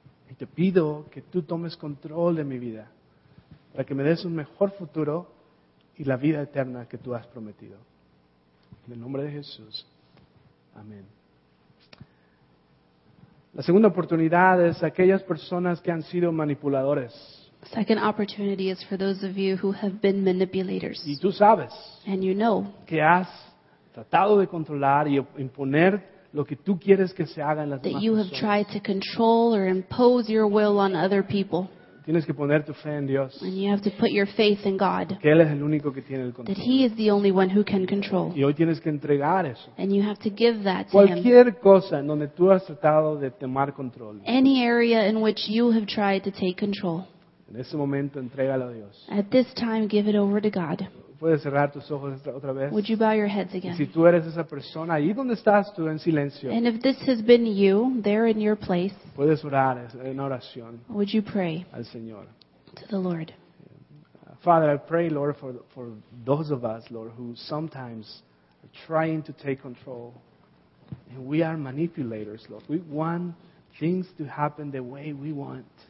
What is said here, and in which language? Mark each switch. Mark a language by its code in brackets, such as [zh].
[es] Y te pido que tú tomes control de mi vida para que me des un mejor futuro y la vida eterna que tú has prometido. En el nombre de Jesús. Amén. La segunda oportunidad es aquellas personas que han sido manipuladores. [en] Second opportunity is for those of you who have been manipulators. [es] Y tú sabes. [en] And you know. [es] Que has tratado de controlar y imponer lo que tú quieres que se haga en las demás. [en] That you have tried to control or impose your will on other people. [es] Tienes que poner tu fe en Dios. [en] And you have to put your faith in God. [es] Que Él es el único que tiene el control. [en] That He is the only one who can control. [es] Y hoy tienes que entregar eso. [en] And you have to give that to [es] Cualquier [en] Him. [es] Cosa en donde tú has tratado de tomar control. [en] Any area in which you have tried to take control. [es] En ese momento, entrégalo a Dios. [en] At this time, give it over to God. [es] ¿Puedes cerrar tus ojos otra vez? [en] Would you bow your heads again? [es] Y si tú eres esa persona, ahí donde estás tú, en silencio. [en] And if this has been you, there in your place, [es] puedes orar en oración. [en] Would you pray [es] al Señor? [en] To the Lord. Father, I pray, Lord, for those of us, Lord, who sometimes are trying to take control. And we are manipulators, Lord. We want things to happen the way we want.